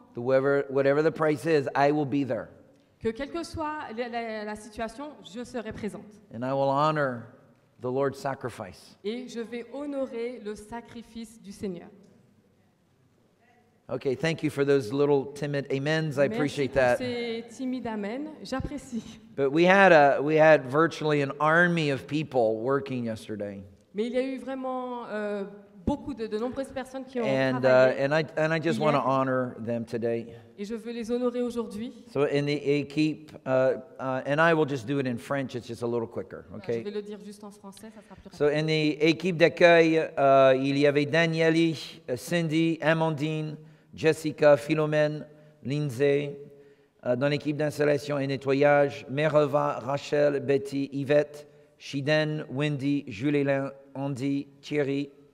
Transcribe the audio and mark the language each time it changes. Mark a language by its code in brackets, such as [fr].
[en] Whatever the price is, I will be there. [fr] Que quelle que soit la situation, je serai présente. [en] And I will honor the Lord's sacrifice. [fr] Et je vais honorer le sacrifice du Seigneur. [en] Okay, thank you for those little timid amens. I appreciate that. [fr] Merci pour ces timides amen. J'apprécie. [en] But we had virtually an army of people working yesterday. [fr] Mais il y a eu vraiment beaucoup de nombreuses personnes qui ont travaillé. [en] And I just want to honor them today. [fr] Et je veux les honorer aujourd'hui. [en] So in the équipe, and I will just do it in French. It's just a little quicker, okay? [fr] Je vais le dire juste en français, ça sera plus rapide. [en] So in the [fr] équipe d'accueil, il y avait Danielle, Cindy, Amandine, Jessica, Philomène, Lindsay. Dans l'équipe d'installation et nettoyage, Mereva, Rachel, Betty, Yvette, Shiden, Wendy, Julie, Andy, Thierry.